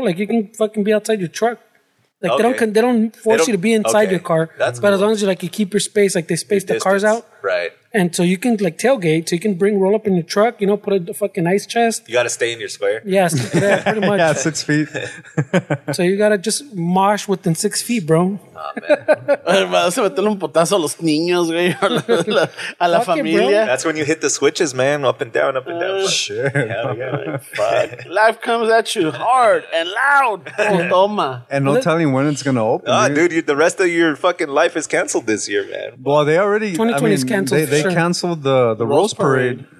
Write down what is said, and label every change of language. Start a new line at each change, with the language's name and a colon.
English: Like you can fucking be outside your truck. Like they don't force you to be inside your car. That's but cool. As long as you like you keep your space, like they space the cars out. Right. And so you can like tailgate, so you can bring roll up in your truck, you know, put a fucking ice chest. You got to stay in your square. Yes, pretty much. Yeah, 6 feet. So you got to just mosh within 6 feet, bro. Oh, man.
Spanish: Se meterle un potazo a los niños, güey, a la familia.
English: That's when you hit the switches, man, up and down, up and down. Sure. Hell yeah, fuck. Life comes at you hard and loud.
Spanish: Toma.
English: And no telling when it's going to open. Ah, dude, the rest of your fucking life is canceled this year, man. Well, they already. 2020 is canceled. They canceled the Rose Parade.